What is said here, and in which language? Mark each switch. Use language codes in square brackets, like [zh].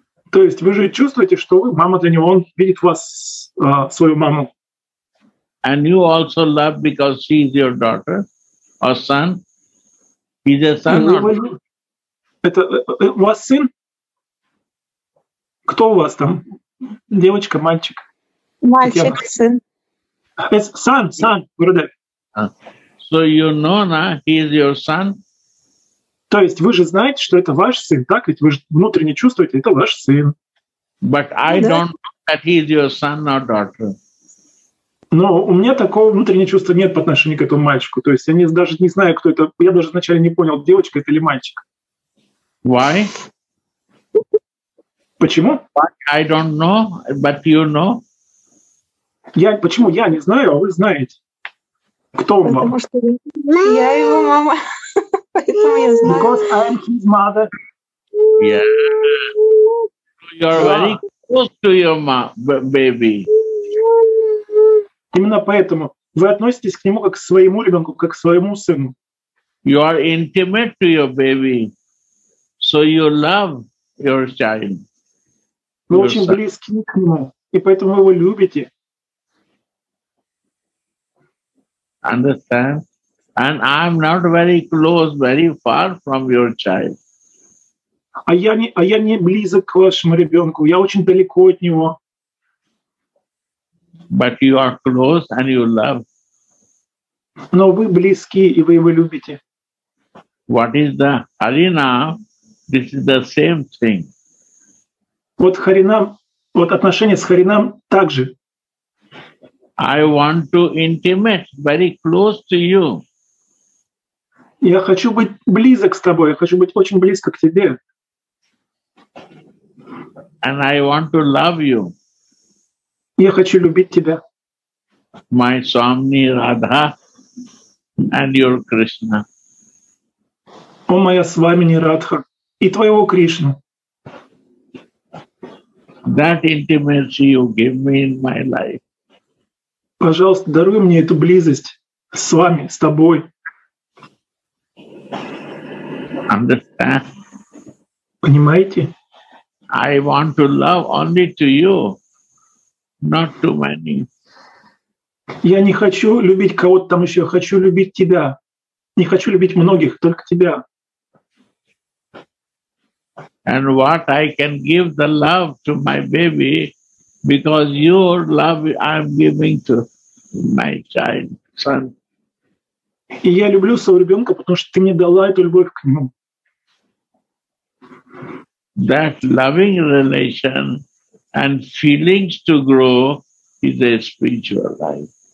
[ru] То есть вы же чувствуете, что вы, мама для него, он видит вас, свою маму. [en] And you also love because she is your daughter or son. He's a son or [ru] это у вас сын? Кто у вас там? Девочка, мальчик? Мальчик, сын. [en] It's son, son, brother. So you know, he is your son. [ru] То есть вы же знаете, что это ваш сын, так? Ведь вы же внутренне чувствуете, это ваш сын. [en] But I don't know that he is your son or daughter. [ru] Но у меня такого внутреннего чувства нет по отношению к этому мальчику. То есть я не, даже не знаю, кто это. Я даже вначале не понял, девочка это или мальчик. [en] Why? [ru] Почему? [en] I don't know, but you know. [ru] Я, почему? Я не знаю, а вы знаете. Кто он потому вам? Что я его мама. Поэтому я знаю. [en] Because I am his mother. Yeah. You're very close to your mom, baby. [ru] Именно поэтому вы относитесь к нему как к своему ребенку, как к своему сыну. [en] You are intimate to your baby, so you love your child. Вы your очень son. [ru] Близки к нему, и поэтому вы его любите. [en] Understand? And I'm not very close, very far from your child. [ru] А я не близок к вашему ребенку, я очень далеко от него. [en] But you are close and you love. [ru] Но вы близки и вы его любите. [en] What is the Харинам? This is the same thing. [ru] Вот Харинам, вот отношение с Харинам также. [en] I want to intimate, very close to you. [ru] Я хочу быть близок с тобой, я хочу быть очень близко к тебе. [en] And I want to love you. [ru] Я хочу любить тебя. [en] My Swami Radha and your Krishna. [ru] О, моя Свамини Радха и твоего Кришну. [en] That intimacy you give me in my life. [ru] Пожалуйста, даруй мне эту близость с вами, с тобой. [en] Understand? [ru] Понимаете? [en] I want to love only to you. Not too many. [ru] Я не хочу любить кого-то там еще, я хочу любить тебя. Не хочу любить многих, только тебя. [en] And what I can give the love to my baby, because your love I'm giving to my child, son. [ru] И я люблю своего ребенка, потому что ты мне дала эту любовь к нему. [en] That loving relation and feelings to grow is a spiritual life.